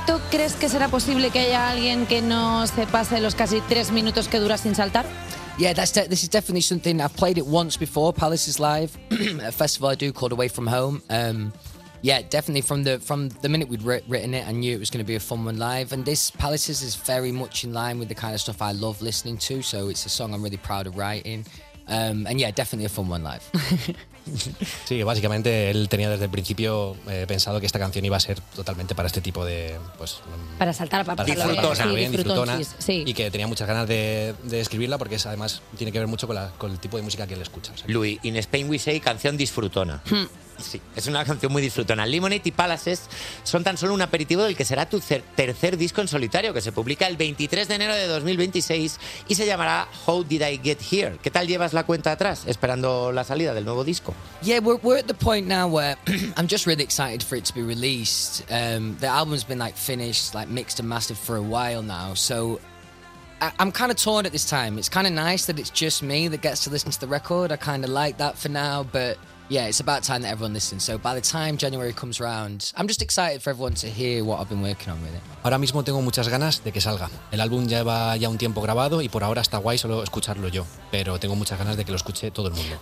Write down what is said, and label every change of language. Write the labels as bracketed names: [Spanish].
[Spanish] ¿Crees que será posible que haya alguien que no se pase los casi 3 minutos que dura sin saltar? [English] Yeah, this is definitely something I've played it once before. Palace is live, a festival I do called Away From Home. Yeah, definitely from the minute we'd written it, I knew it was going to be a fun one live. And this Palace is very much in line with the kind of stuff I love listening to. So it's a song I'm really proud of writing. And yeah, definitely a fun one live. [Spanish] Sí, básicamente él tenía desde el principio pensado que esta canción iba a ser totalmente para este tipo de, pues, para saltar, para disfrutona, sí, bien, disfrutona, sí. Y que tenía muchas ganas de escribirla porque es, además tiene que ver mucho con el tipo de música que él escucha. ¿Sabes? Louis, [English] In Spain We Say, [Spanish] canción disfrutona. Sí, es una canción muy disfrutona. Lemonade y Palaces son tan solo un aperitivo del que será tu tercer disco en solitario, que se publica el 23 de enero de 2026 y se llamará How Did I Get Here. ¿Qué tal llevas la cuenta atrás, esperando la salida del nuevo disco? [English] Yeah, we're at the point now where I'm just really excited for it to be released. The album's been like finished, like mixed and mastered for a while now, so I'm kind of torn at this time. It's kind of nice that it's just me that gets to listen to the record. I kind of like that for now, but yeah, it's about time that everyone listens. So by the time January comes round, I'm just excited for everyone to hear what I've been working on with it. [Spanish] Ahora mismo tengo muchas ganas de que salga. El álbum lleva ya un tiempo grabado y por ahora está guay solo escucharlo yo, pero tengo muchas ganas de que lo escuche todo el mundo.